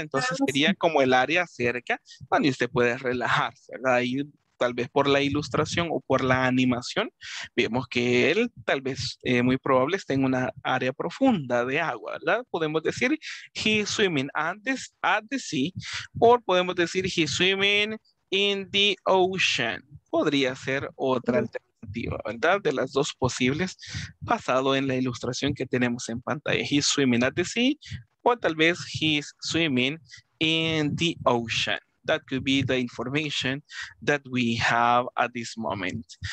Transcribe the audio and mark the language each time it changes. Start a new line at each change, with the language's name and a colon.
Spanish: Entonces sería como el área cerca donde usted puede relajarse, ¿verdad? Ahí, tal vez por la ilustración o por la animación, vemos que él tal vez muy probable esté en una área profunda de agua, ¿verdad? Podemos decir,
English: he's swimming at the sea,
Spanish: o podemos decir,
English: he's swimming in the ocean.
Spanish: Podría ser otra alternativa, ¿verdad? De las dos posibles, basado en la ilustración que tenemos en pantalla.
English: He's swimming at the sea,
Spanish: o tal vez
English: he's swimming in the ocean. That could be the information that we have at this moment.